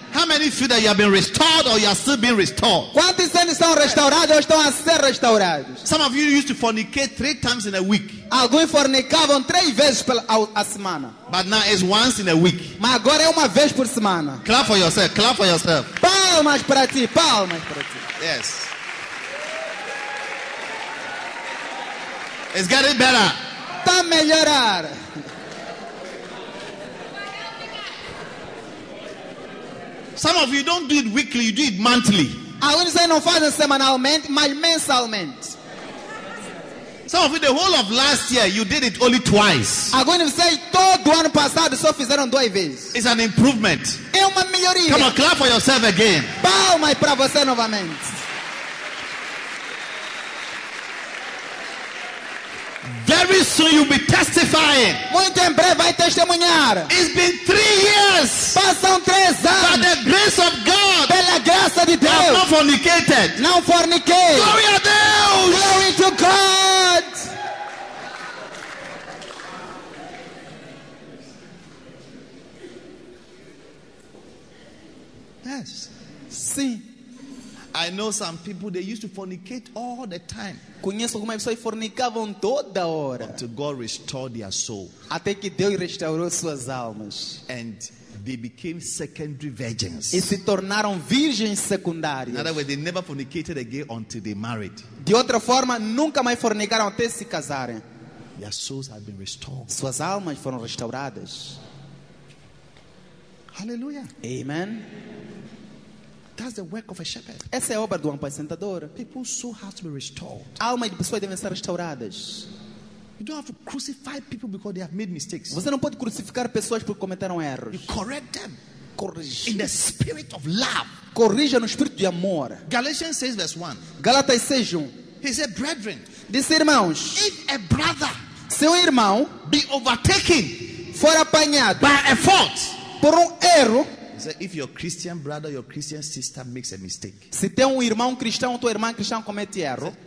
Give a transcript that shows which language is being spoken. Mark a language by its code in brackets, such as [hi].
[en] How many feel that you have been restored or you are still being restored? [pt] Quantos anos estão restaurados ou estão a ser restaurados? [en] Some of you used to fornicate 3 times in a week. [pt] Alguns fornicavam 3 vezes pela semana. [en] But now it's once in a week. [pt] Mas agora é uma vez por semana. [en] Clap for yourself. Clap for yourself. [pt] Palmas para ti. Palmas para ti. [en] Yes. It's getting better. [pt] Tá melhorar. [en] Some of you don't do it weekly, you do it monthly. I wouldn't say [pt] no fazem semanalmente, mas mensalmente. [en] Some of you, the whole of last year, you did it only twice. I wouldn't say [pt] todo ano passado só fizeram 2 vezes. [en] It's an improvement. [pt] É uma melhoria. [en] Come on, clap for yourself again. [pt] Palmas para você novamente. [en] Very soon you'll be testifying. [pt] Muito em breve vai testemunhar. [en] It's been 3 years. [pt] Passam 3 anos. [en] By the grace of God. [pt] Pela graça de Deus. [en] I have not fornicated. [pt] Não forniquei. [en] Glory to Deus. Glory to God. Yes. [pt] Sim. [en] I know some people, they used to fornicate all the time. [pt] Conheço algumas pessoas que fornicavam toda hora. [en] Until God restored their soul. [pt] Até que Deus restaurou suas almas. [en] And they became secondary virgins. [pt] E se tornaram virgens secundárias. [en] In other words, they never fornicated again until they married. [pt] De outra forma, nunca mais fornicaram até se casarem. [en] Their souls have been restored. [pt] Suas almas foram restauradas. Hallelujah. Amen. [en] That's the work of a shepherd. [pt] Essa é a obra do apacentador. [en] People's soul has to be restored. [pt] Almas de pessoas devem ser restauradas. [en] You don't have to crucify people because they have made mistakes. [pt] Você não pode crucificar pessoas porque cometeram erros. [en] You correct them. [pt] Corrige. [en] In the spirit of love. [pt] Corrija no espírito de amor. [en] Galatians 6 verse 1. [pt] Galatas 6, 1. [en] He said, brethren. [pt] Disse, irmãos. [en] If a brother. [pt] Seu irmão. [en] Be overtaken. [pt] For apanhado. [en] By a fault. [pt] Por erro. [en] So if your Christian brother, your Christian sister makes a mistake, [pt] se tem irmão cristão ou tua irmã cristã comete erro,